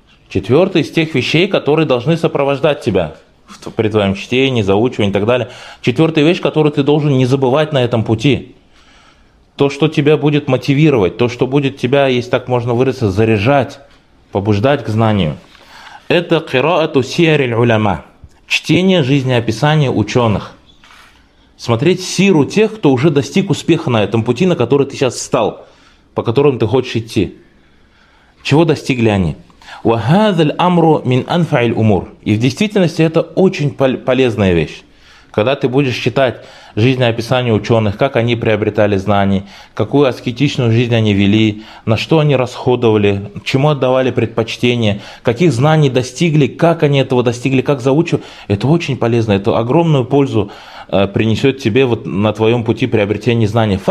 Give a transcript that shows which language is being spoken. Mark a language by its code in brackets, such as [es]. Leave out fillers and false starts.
[ru] 4 из тех вещей, которые должны сопровождать тебя при твоем чтении, заучивании и так далее. 4 вещь, которую ты должен не забывать на этом пути. То, что тебя будет мотивировать, то, что будет тебя, если так можно выразиться, заряжать, побуждать к знанию. Это [ar] قراءة سير العلماء. [ru] Чтение жизнеописания ученых. Смотреть сиру тех, кто уже достиг успеха на этом пути, на который ты сейчас встал, по которому ты хочешь идти. Чего достигли они? [ar] وَهَذَا الْأَمْرُ مِنْ أَنْفَعِ الْأُمُورِ. [ru] И в действительности это очень полезная вещь. Когда ты будешь читать жизнеописание ученых, как они приобретали знания, какую аскетичную жизнь они вели, на что они расходовали, чему отдавали предпочтение, каких знаний достигли, как они этого достигли, как заучивали, это очень полезно, это огромную пользу принесет тебе вот на твоем пути приобретения знаний.